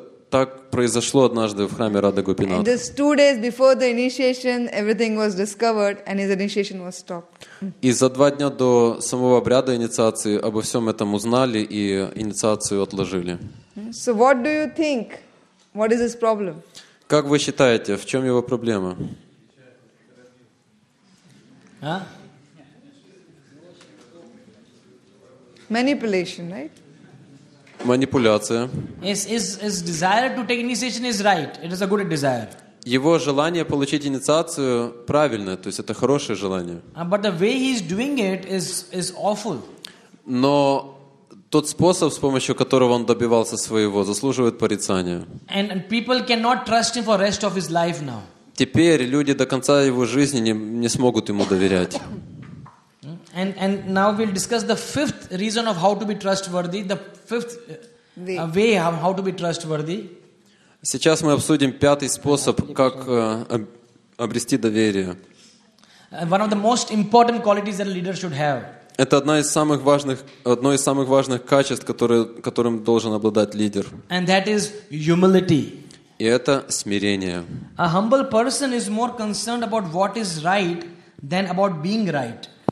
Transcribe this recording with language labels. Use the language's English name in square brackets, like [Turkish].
[Russian] Так произошло однажды в храме Рада Гопинат. [English] Just 2 days before the initiation, everything was discovered, and his initiation was stopped. [Russian] И за 2 дня до самого обряда инициации обо всем этом узнали и инициацию отложили. [English] So what do you think? What is his problem? [Russian] Как вы считаете, в чем его проблема? [English] Manipulation, right? [Russian] Манипуляция. [English] His desire to take initiation is right. It is a good desire. [Russian] Его желание получить инициацию правильное, то есть это хорошее желание. [English] But the way he is doing it is awful. [Russian] Но тот способ, с помощью которого он добивался своего, заслуживает порицания. [English] And people cannot trust him for rest of his life now. [Russian] Теперь люди до конца его жизни не смогут ему доверять. [English] And now we'll discuss the fifth reason of how to be trustworthy, the fifth way of how to be trustworthy. [Russian] Сейчас мы обсудим пятый способ, как обрести доверие. [English] One of the most important qualities that a leader should have. [Russian] Это одно из самых важных качеств, которым должен обладать лидер. [English] And that is humility. [Russian] И это смирение. [English] A humble person is more concerned about what is right than about being right.